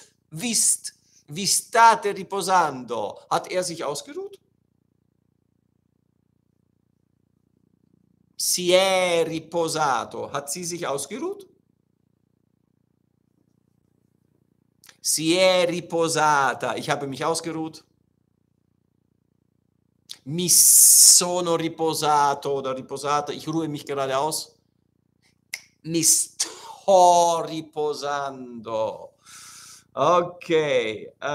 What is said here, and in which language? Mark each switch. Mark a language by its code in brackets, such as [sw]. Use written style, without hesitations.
[it] Vi state riposando. [de] Hat er sich ausgeruht? [it] Si è riposato. [de] Hat sie sich ausgeruht? [it] Si è riposata. [de] Ich habe mich ausgeruht. [it] Mi sono riposato oder riposata. [de] Ich ruhe mich gerade aus. [it] Mi sto riposando. [de] Okay.